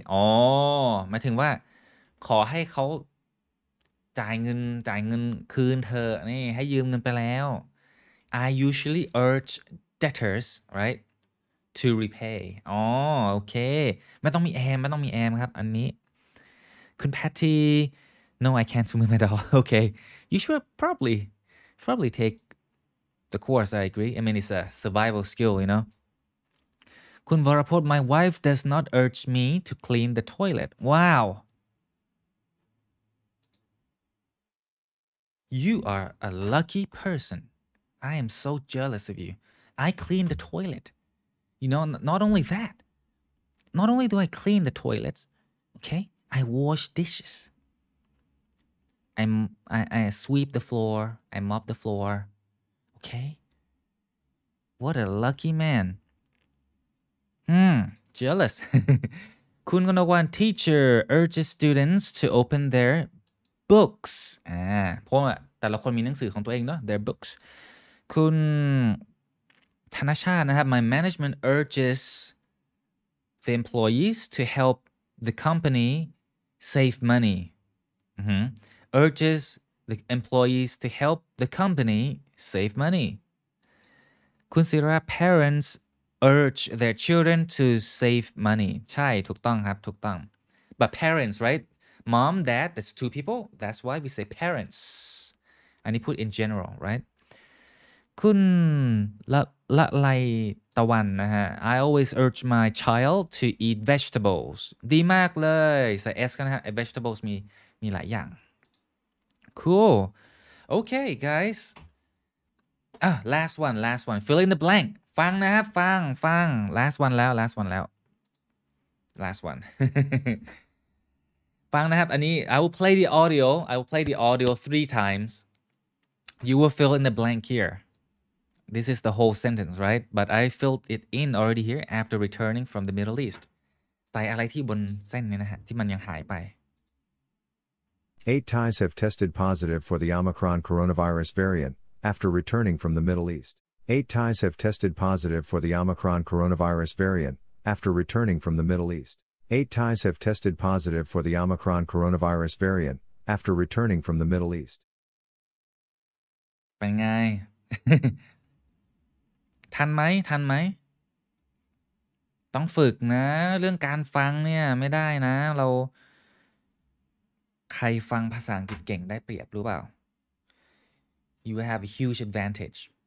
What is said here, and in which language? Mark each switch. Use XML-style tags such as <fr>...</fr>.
<th>อ๋อหมายถึงว่าขอให้เขาจ่ายเงินคืนเธอนี่ให้ยืมเงินไปแล้ว</th> <en>I usually urge debtors, right, to repay.</en> <th>อ๋อโอเคไม่ต้องมี am ไม่ต้องมี am ครับอันนี้คุณ Patty</th> <en>No, I can't swim at all. Okay. You should probably take the course. I agree. I mean, it's a survival skill, you know. Kun Varaport, my wife does not urge me to clean the toilet. Wow. You are a lucky person. I am so jealous of you. I clean the toilet. You know, not only do I clean the toilet, okay? I wash dishes. I sweep the floor. I mop the floor. Okay? What a lucky man. Jealous. Kun Gonawan, teacher urges students to open their books.</en> <th>เพราะแต่ละคนมีหนังสือของตัวเองเนาะ</th> <en>their books. Kun Tanashan, my management urges the employees to help the company save money. Mm-hmm. Urges the employees to help the company save money. Consider parents urge their children to save money.</en> <th>ใช่ถูกต้องครับถูกต้อง</th> <en>But parents, right? Mom, dad, that's two people. That's why we say parents.</en> <th>อันนี้พูด</th> <en>in general, right? คุณละไลตะวันนะฮะ I always urge my child to eat vegetables.</en> <th>ดีมากเลยใส่ S กันนะฮะ</th> <en>Vegetables</en> <th>มีหลายอย่าง</th> <en>Cool. Okay, guys. Last one. Fill in the blank.</en> <th>ฟังนะครับ ฟัง</th> <en>Last one. Last one.</en> <th>ฟังนะครับ อันนี้</th> <en>I will play the audio 3 times. You will fill in the blank here. This is the whole sentence, right? But I filled it in already here after returning from the Middle East.</en> <th>ใส่อะไรที่บนเส้นนี้นะฮะ ที่มันยังหายไป</th> <en>8 Thais have tested positive for the Omicron coronavirus variant after returning from the Middle East. 8 Thais have tested positive for the Omicron coronavirus variant after returning from the Middle East. 8 Thais have tested positive for the Omicron coronavirus variant after returning from the Middle East.</en> <th>เป็นไง ทันไหม ทันไหม ต้องฝึกนะ เรื่องการฟังเนี่ย ไม่ได้นะ เราใครฟังภาษาอังกฤษเก่งได้เปรียบรู้เปล่า</th> <en>You have a huge advantage.</en>